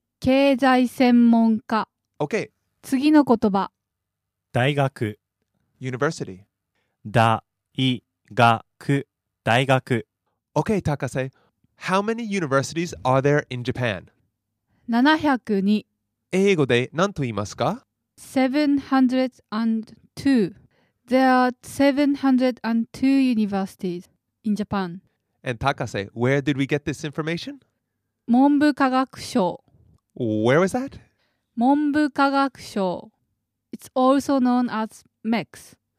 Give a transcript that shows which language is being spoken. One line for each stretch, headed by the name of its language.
Japanese: 経済専門家
English: Okay.
Japanese: 次の言葉。大学
English: University.
Japanese: 大学大学
English: Okay, Takase, how many universities are there in Japan? 702.
Japanese: 英語で何と言いますか?
English: 702. There are 702 universities in Japan. And Takase, where did we get this information?
Japanese: 文部科学省
English: Where was that?
Japanese: 文部科学省
English: It's also known as MEXT.